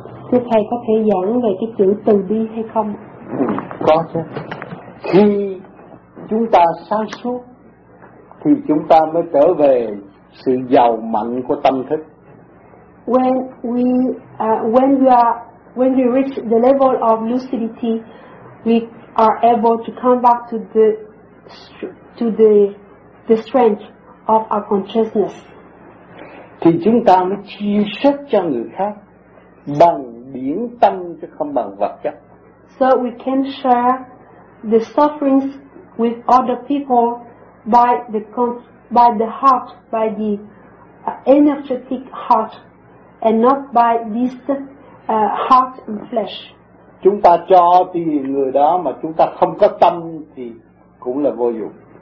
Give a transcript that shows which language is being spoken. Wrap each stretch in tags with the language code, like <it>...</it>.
<vi>Thưa thầy, có thể giảng về cái chữ từ bi hay không? Có chứ. Khi chúng ta sáng suốt thì chúng ta mới trở về sự giàu mạnh của tâm thức.</vi> <en>When we reach the level of lucidity, we are able to come back to the strength of our consciousness.</en> <vi>Thì chúng ta mới chia sớt cho người khác bằng biển tâm chứ không bằng vật chất.</vi> <en>So we can share the sufferings with other people by the heart, by the energetic heart, and not by this heart and flesh.</en> <vi>Chúng ta cho tiền người đó mà chúng ta không có tâm thì cũng là vô dụng.</vi>